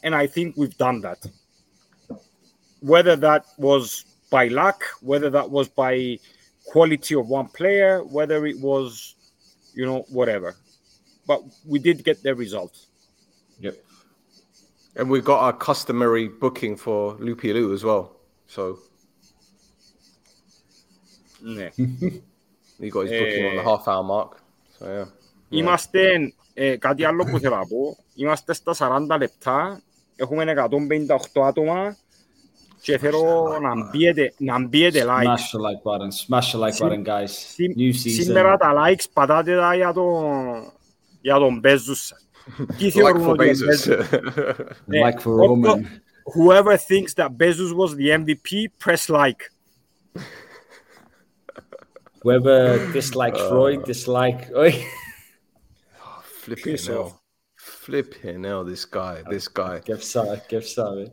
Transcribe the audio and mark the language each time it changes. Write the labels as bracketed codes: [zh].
[el] And I think we've done that. Whether that was by luck, whether that was by quality of one player, whether it was, you know, whatever. But we did get the result. Yep. And we got our customary booking for Loopy Loo as well. So. Yeah. He got his booking on the half hour mark. So, yeah. Είμαστε, κάτι άλλο που θέλω να πω, είμαστε στα 40 λεπτά, έχουμε 158 άτομα. Και θέλω να μπείτε like. [en] Smash the like button. Smash the like button, guys. New season. [el] Σήμερα τα likes πατάτε τα για τον Bezus. Τι θεωρούν ότι είναι Bezus. [en] Like for Roman. Whoever thinks that Bezus was the MVP, press like. Whoever dislikes Roy, dislike. Flipping hell. Flipping hell, this guy. Give some.